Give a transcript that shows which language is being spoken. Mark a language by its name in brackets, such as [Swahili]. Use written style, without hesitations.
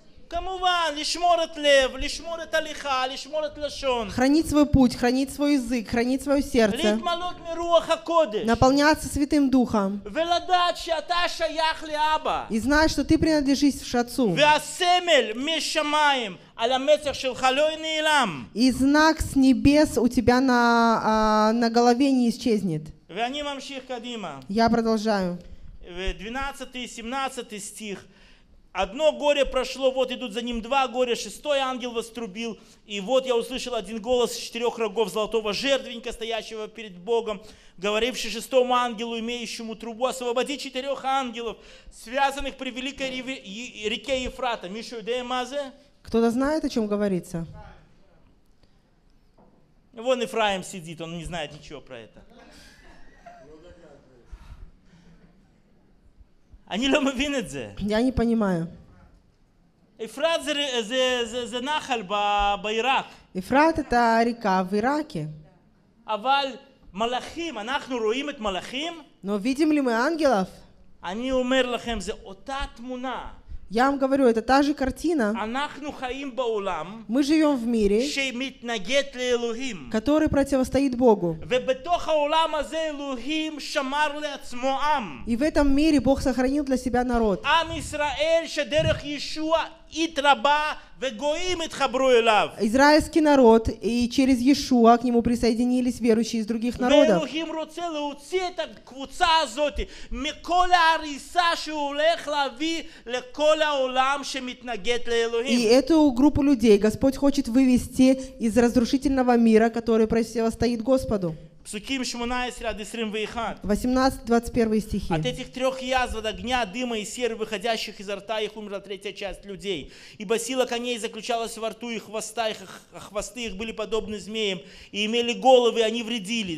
[Hebrew] כמובן, לשמור את לב, לשמור את הליכה, לשמור את לשון. [Russian] Хранить свой путь, хранить свой язык, хранить свое сердце. [Hebrew] להתמלות מרוח הקודש. [Russian] Наполняться святым духом. [Hebrew] ולדעת שאתה שייך לאבא. [Russian] И знать, что ты принадлежишь отцу. [Hebrew] והסמל משמיים על המצח שלך לא נעלם. [Russian] И знак с небес у тебя на голове не исчезнет. [Hebrew] ואני ממשיך קדימה. [Russian] Я продолжаю. 12 и 17 стих. Одно горе прошло, вот идут за ним два горя, шестой ангел вострубил, и вот я услышал один голос из четырех рогов золотого жертвенника, стоящего перед Богом, говоривший шестому ангелу, имеющему трубу, освободи четырех ангелов, связанных при великой реке Ефрата. [Hebrew] Мишу, де мазе? [Russian] Кто-то знает, о чем говорится? Вон Ефраим сидит, он не знает ничего про это. [Hebrew] אני לא מבין את זה. [Russian] Я не понимаю. [Hebrew] Ефрат זה נחל בעיראק. [Russian] Ефрат это река в Ираке. [Hebrew] אבל מלאכים, אנחנו רואים את מלאכים? [Russian] Но видим ли мы ангелов? [Hebrew] אני אומר לכם, זה אותה תמונה. [Russian] Я вам говорю, это та же картина. [Hebrew] אנחנו חיים בעולם. [Russian] Мы живем в мире, [Hebrew] שמתנגד לאלוהים. [Russian] Который противостоит Богу. [Hebrew] ובתוך העולם הזה אלוהים שמר לעצמו עם. [Russian] И в этом мире Бог сохранил для себя народ. [Hebrew] עם ישראל שדרך ישוע התרבה וגויים התחברו אליו. [Russian] Израильский народ, и через Иешуа к нему присоединились верующие из других народов. [Hebrew] ואלוהים רוצה להוציא את הקבוצה הזאת מכל ההריסה שהוא הולך להביא לכל העולם שמתנגד לאלוהים. [Russian] И эту группу людей Господь хочет вывести из разрушительного мира, который противостоит Господу. [Hebrew] Псуким 18-21 [Russian] стихи. От этих трех язв, от огня, дыма и серы, выходящих изо рта их, умерла третья часть людей. Ибо сила коней заключалась во рту их, хвоста их, а хвосты их были подобны змеям, и имели головы, и они вредили.